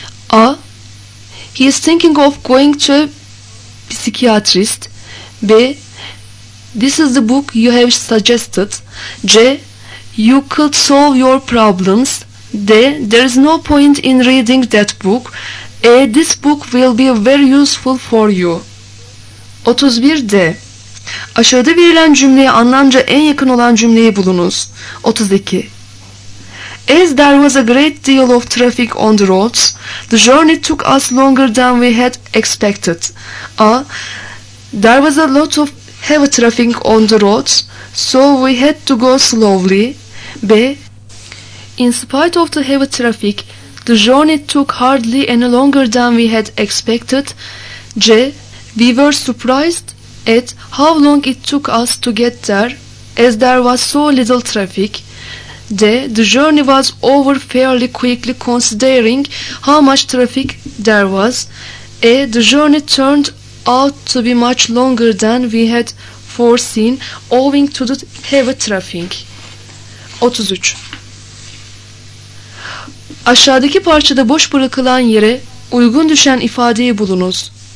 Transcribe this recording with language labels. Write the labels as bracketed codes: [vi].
[en] A. He is thinking of going to a psychiatrist. B. This is the book you have suggested. C. You could solve your problems. D. There is no point in reading that book. E. This book will be very useful for you. 31D. [tr] Aşağıda verilen cümleye anlamca en yakın olan cümleyi bulunuz. 32. [en] As there was a great deal of traffic on the roads, the journey took us longer than we had expected. A. There was a lot of heavy traffic on the roads, so we had to go slowly. B. In spite of the heavy traffic, the journey took hardly any longer than we had expected. C. We were surprised at how long it took us to get there, as there was so little traffic. D. The journey was over fairly quickly considering how much traffic there was. E. The journey turned out to be much longer than we had foreseen owing to the heavy traffic. 33. [tr] Aşağıdaki parçada boş bırakılan yere uygun düşen ifadeyi bulunuz.